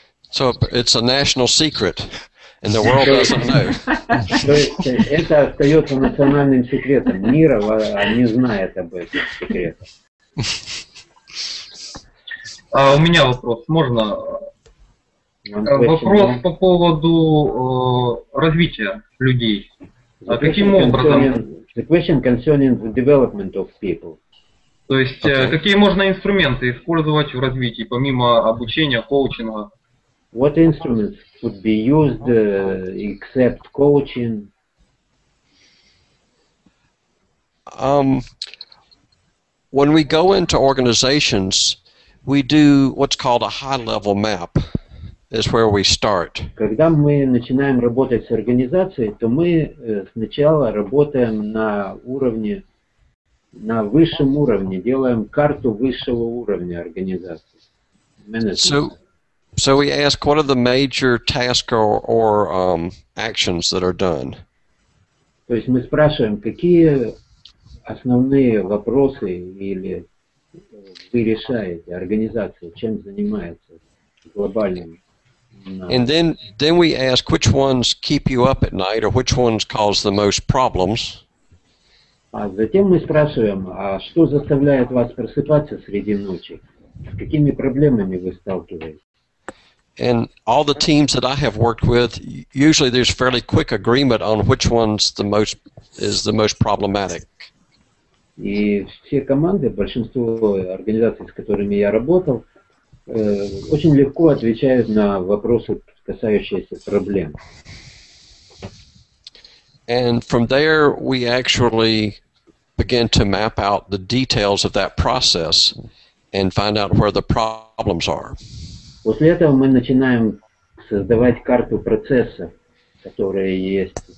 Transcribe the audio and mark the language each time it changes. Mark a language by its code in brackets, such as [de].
[en] So it's a national secret, and the world doesn't know. [ru] То есть это остается национальным секретом. Мир не знает об этих секретах. А у меня вопрос. Можно? Вопрос по поводу развития людей. Каким образом? [en] The question concerning the development of people. [ru] То есть какие можно инструменты использовать в развитии, помимо обучения, коучинга? [en] What instruments could be used except coaching? When we go into organizations, we do what's called a high-level map. Is where we start. [ru] Когда мы начинаем работать с организацией, то мы сначала работаем на уровне, на высшем уровне, делаем карту высшего уровня организации. [en] So we ask, what are the major tasks or actions that are done? [ru] То есть мы спрашиваем, какие основные вопросы или вы решаете, организация, чем занимается глобальным. [en] And then we ask which ones keep you up at night or which ones cause the most problems. [ru] А затем мы спрашиваем, а что заставляет вас просыпаться среди ночи? С какими проблемами вы сталкиваетесь? [en] And all the teams that I have worked with, usually there's fairly quick agreement on which ones is the most problematic. [ru] И все команды, большинство организаций, с которыми я работал, очень легко отвечают на вопросы, касающиеся проблем. [en] And from there, we actually begin to map out the details of that process and find out where the problems are. [ru] После этого мы начинаем создавать карту процесса, которая есть.